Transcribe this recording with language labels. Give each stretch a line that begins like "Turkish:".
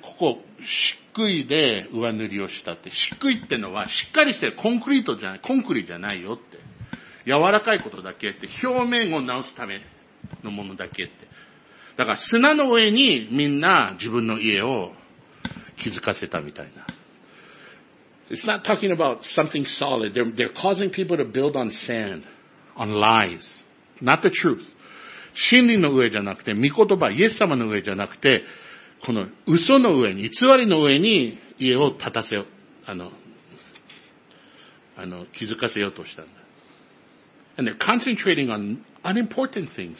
Japanese: ここ、漆喰で上塗りをしたって。漆喰ってのは、しっかりしてる。コンクリートじゃない。コンクリじゃないよって。柔らかいことだけって。表面を直すためのものだけって。だから砂の上にみんな自分の家を築かせたみたいな。
English: It's not talking about something solid. They're causing people to build on sand, on lies. Not the truth.
Japanese: 真理の上じゃなくて、御言葉、イエス様の上じゃなくて、この嘘の上に、偽りの上に家を建たせよう、築かせようとしたんだ。
English: And they're concentrating on unimportant things.